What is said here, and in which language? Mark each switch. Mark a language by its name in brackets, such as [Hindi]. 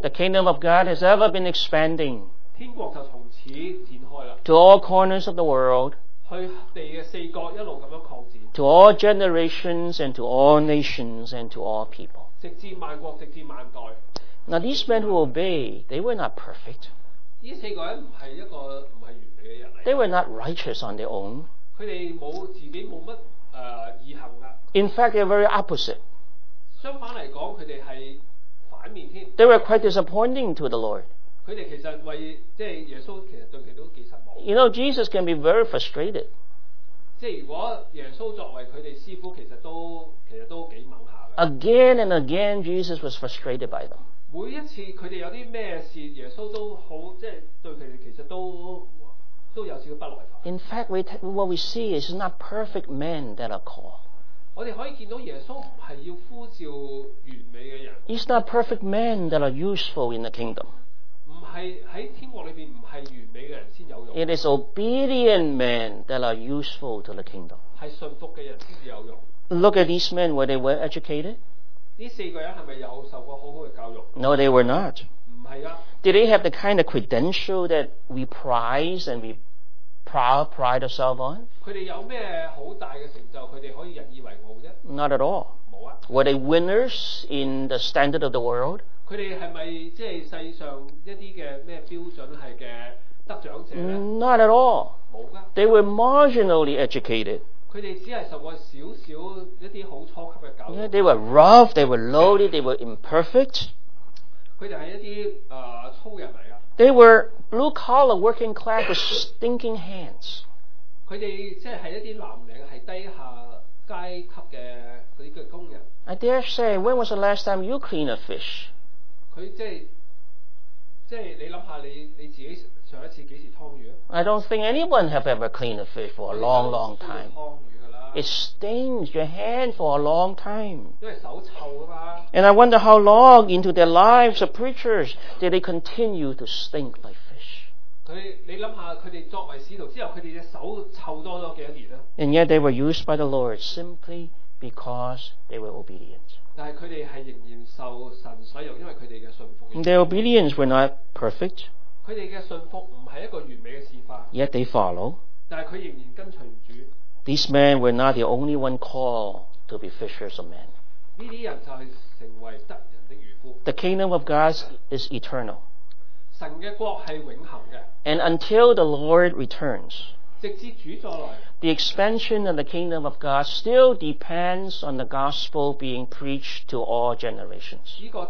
[English] The kingdom of God has ever been expanding. [Chinese] 天国就从此展开了。 [English] To all corners of the world. [Chinese] 去地的四国一路这样扩展。 [English] To all generations and to all nations and to all people. [Chinese] 直至万国，直至万代。 [English] Now these men who obey, they were not perfect. [Chinese] 这四个人不是一个不是完美的人。 [English] They were not righteous on their own. [Chinese] 他们没自己没什么义行的。 [English] In fact, they're very opposite. [Chinese] 相反来讲，他们是反面的。 [English] They were quite disappointing to the Lord. [Chinese] 他们其实为即是耶稣其实对他都挺失望。 [English] You know, Jesus can be very frustrated. [Chinese] 即是如果耶稣作为他们师傅，其实都挺猛下的。 [English] Again and again, Jesus was frustrated by them. [Chinese] 每一次他们有什么事，耶稣都好，即是对他们其实都有少少不耐烦。 [English] In fact, what we see is not perfect men that are called. [Chinese] 我们可以看到耶稣不是要呼召完美的人。 [English] It's not perfect men that are useful in the kingdom. [Chinese] 不是在天国里面不是完美的人才有用。 [English] It is obedient men that are useful to the kingdom. [Chinese] 是信服的人才有用。 [English] Look at these men, were they well educated? [Chinese] 这四个人是不是有受过好好的教育？ [English] No, they were not. [Chinese] 不是啊。 [English] Did they have the kind of credential that we prize and we pride ourselves on? [Chinese] 他们有什么很大的成就他们可以引以为傲的？ [English] Not at all. [Chinese] 没啊。 [English] Were they winners in the standard of the world? [Chinese] 他们是不是即是世上一些什么标准是的得奖者呢？ [English] Not at all. [Chinese] 没啊。 [English] They were marginally educated. [Chinese] 他们只是受过少少一些很初级的教育。 [English] They were rough, they were lowly, they were imperfect. [Chinese] 他们是一些粗人来的。 [English] They were blue collar working class with stinking hands. [Chinese] 他们即是一些蓝领，是低下阶级的那些工人。 [English] I dare say, when was the last time you clean a fish? [Chinese] 他即是你想下你自己上一次几时劏鱼？ [English] I don't think anyone have ever cleaned a fish for a long, long time. It stains your hand for a long time. [Chinese] 因为手臭嘛。 [English] And I wonder how long into their lives of preachers did they continue to stink like fish. [Chinese] 你想想他们作为使徒之后他们的手臭多了几年。 [English] And yet they were used by the Lord simply because they were obedient. [Chinese] 但是他们是仍然受神使用因为他们的信服。 [English] Their obedience were not perfect. [Chinese] 他们的信服不是一个完美的示范。 [English] Yet they follow. [Chinese] 但是他仍然跟随主。 [English] These men were not the only one called to be fishers of men. The kingdom of God is eternal. And until the Lord returns, the expansion of the kingdom of God still depends on the gospel being preached to all generations.